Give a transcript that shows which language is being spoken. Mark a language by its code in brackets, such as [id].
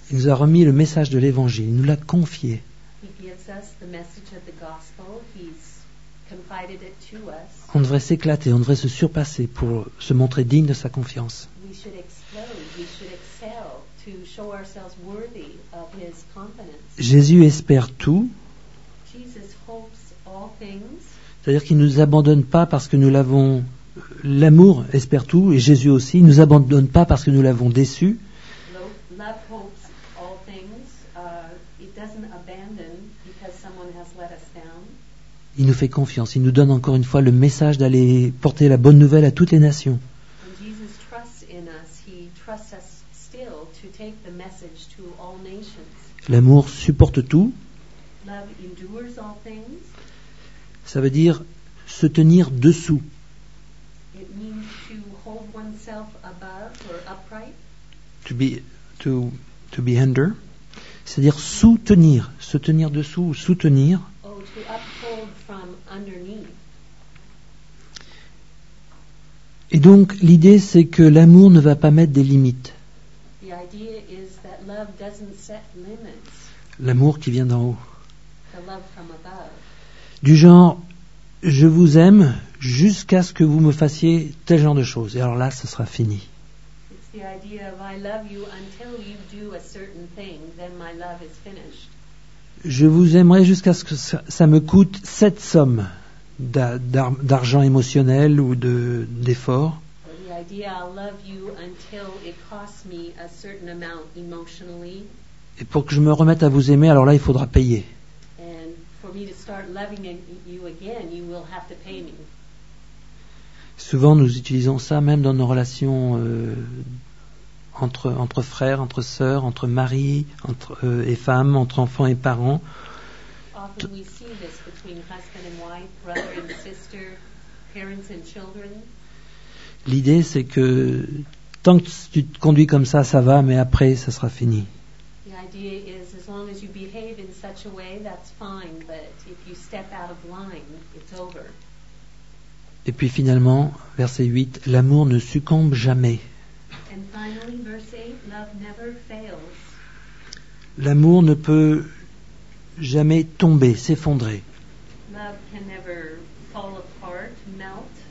[fr] Il nous a remis le message de l'Évangile. Il nous l'a confié. [en] He gives us the message of the gospel. He's confided it to us. [fr] On devrait s'éclater, on devrait se surpasser pour se montrer digne de sa confiance. [en] We should explode. We should excel to show ourselves worthy of his confidence. [fr] Jésus espère tout. [en] Jesus hopes all things. [fr] C'est-à-dire qu'il ne nous abandonne pas parce que nous l'avons... L'amour espère tout, et Jésus aussi. Il ne nous abandonne pas parce que nous l'avons déçu. [en] Love hopes all things. It doesn't abandon because someone has let us down. [fr] Il nous fait confiance. Il nous donne encore une fois le message d'aller porter la bonne nouvelle à toutes les nations. [en] And Jesus trusts in us. He trusts us still to take the message to all nations. [fr] L'amour supporte tout. [en] Love endures all things. [fr] Ça veut dire se tenir dessous. [en] It means to hold oneself above or upright. To be under. [fr] C'est-à-dire soutenir, se tenir dessous ou soutenir. [en] Oh, to uphold from underneath. [fr] Et donc, l'idée, c'est que l'amour ne va pas mettre des limites. [en] The idea is that love doesn't set limits. [fr] L'amour qui vient d'en haut. [en] The love from above. [fr] Du genre, je vous aime jusqu'à ce que vous me fassiez tel genre de choses. Et alors là, ce sera fini. [en] It's the idea of I love you until you do a certain thing, then my love is finished. [fr] Je vous aimerai jusqu'à ce que ça me coûte cette somme d'argent émotionnel ou d'effort. [en] The idea, I'll love you until it costs me a certain amount emotionally. [fr] Et pour que je me remette à vous aimer, alors là, il faudra payer. [en] And for me to start loving you again, you will have to pay me. [fr] Souvent, nous utilisons ça même dans nos relations entre frères, entre sœurs, entre mari, et femmes, entre enfants et parents. [en] Often we see this between husband and wife, brother and sister, parents and children. [fr] L'idée, c'est que tant que tu te conduis comme ça, ça va, mais après, ça sera fini. [en] The idea is, as long as you behave in such a way, that's fine, but if you step out of line, it's over. [fr] Et puis finalement, verset 8, l'amour ne succombe jamais. [en] And finally, verse 8, love never fails. [fr] L'amour ne peut jamais tomber, s'effondrer. [en] Love can never fall apart, melt.